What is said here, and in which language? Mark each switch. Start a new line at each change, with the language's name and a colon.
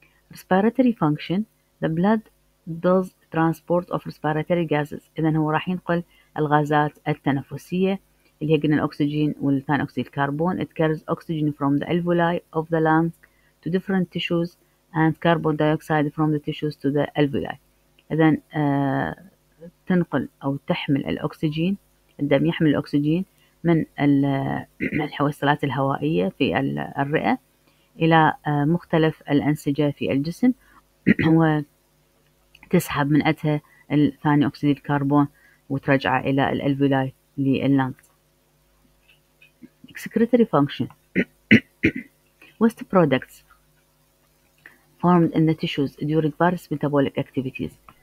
English: Respiratory function. The blood does transport of respiratory gases.
Arabic: إذن هو راح ينقل الغازات التنفسية اللي هي قلنا الأكسجين والثاني أكسيد الكربون.
English: It carries oxygen from the alveoli of the lungs to different tissues and carbon dioxide from the tissues to the alveoli.
Arabic: إذن تنقل أو تحمل الأكسجين، الدم يحمل الأكسجين من الحويصلات الهوائية في الرئة إلى مختلف الأنسجة في الجسم وتسحب من أتها الثاني أكسيد الكربون وترجع إلى الألفولاي لللنغ.
English: Excretory function. Waste products formed in the tissues during various metabolic activities.